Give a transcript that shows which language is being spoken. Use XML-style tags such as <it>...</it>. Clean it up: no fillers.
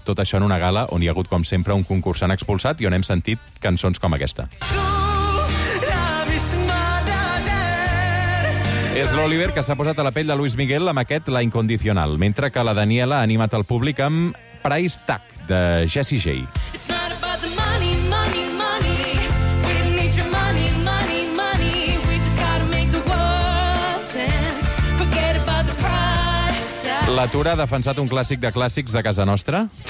<ca>Tot això en una gala on hi ha hagut, com sempre, un concursant expulsat i on hem sentit cançons com aquesta. És l'Oliver que s'ha posat a la pell de Luis Miguel amb aquest La Incondicional, mentre que la Daniela ha animat el públic amb Price Tag, de Jessie J.</ca> <en>It's not about the money, money, money. We didn't need your money, money, money. We just gotta make the world dance. Forget about the price tag.</en> <ca>La Tura ha defensat un clàssic de clàssics de casa nostra.</ca>